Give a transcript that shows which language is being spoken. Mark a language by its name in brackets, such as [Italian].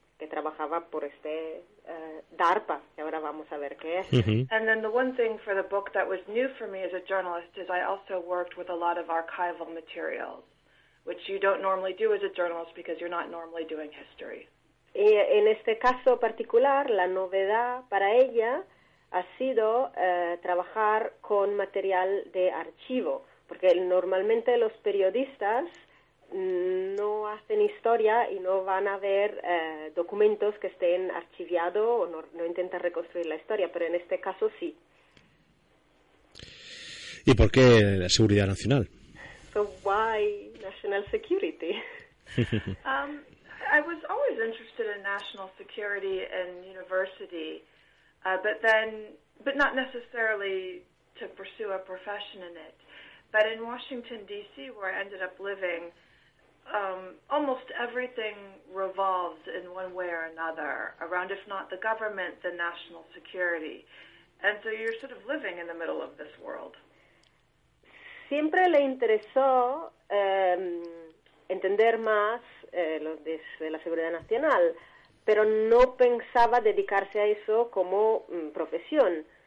[Spanish] trabajaba por este DARPA, y ahora vamos a ver qué es. [English] And then the one thing for the book that was new for me as a journalist is I also worked with a lot of archival materials, which you don't normally do as a journalist because you're not normally doing history. [Spanish] Y en este caso particular, la novedad para ella ha sido trabajar con material de archivo, porque normalmente los periodistas no hacen historia y no van a ver documentos que estén archiviados o no intentan reconstruir la historia, pero en este caso sí. ¿Y por qué la seguridad nacional? [English] So why national security? I was always interested in national security in university, but not necessarily to pursue a profession in it. But in Washington D.C., where I ended up living, almost everything revolves in one way or another around, if not the government, then national security. And so you're sort of living in the middle of this world. [Spanish] Siempre le interesó entender más lo de la seguridad nacional, pero no pensaba dedicarse a eso como profesión.